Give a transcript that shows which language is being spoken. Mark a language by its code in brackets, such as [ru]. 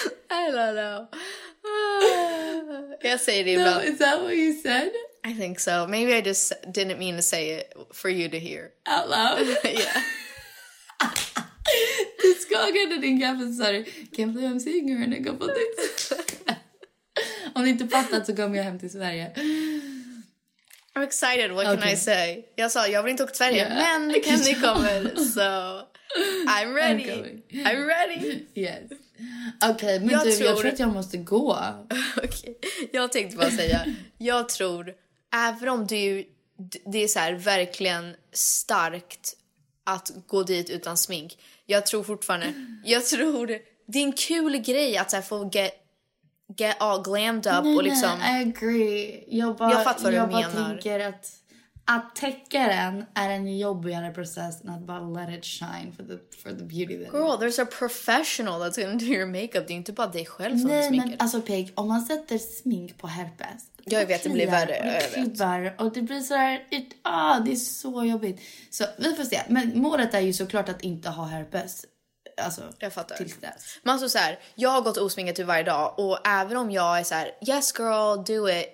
[en] I don't know. I guess I did. No, is that what you said? I think so. Maybe I just didn't mean to say it for you to hear. Out loud? Yeah. This girl getting in Gavin's sorry. Can't believe I'm seeing her in a couple days. [sv] Om ni inte fattat så kommer jag hem till Sverige. [en] I'm excited, what can I say? [sv] Jag sa, jag vill inte åka till Sverige, men Kenny kommer, so... [en] I'm ready. I'm ready. Yes. [sv] Okej, okay, men jag tror att jag måste gå. Okej, jag tänkte bara säga, jag tror, även om det är så här verkligen starkt att gå dit utan smink, jag tror det är en kul grej att så här, få [en] get all glammed up. [sv] Nej, och liksom [en] I agree. [sv] Jag bara tänker att Att täcka den är en jobbigare process än att bara [en] let it shine for the beauty that girl, there's a professional that's gonna do your makeup. [sv] Det är inte bara dig själv som sminkar. Nej, men alltså Peg, om man sätter smink på herpes. Jag vet, det blir värre. Och det klibbar och det blir såhär, det är så jobbigt. Så vi får se. Men målet är ju såklart att inte ha herpes. Alltså, jag fattar. Men alltså så här, jag har gått osminkat typ varje dag. Och även om jag är så här, [en] yes girl, do it.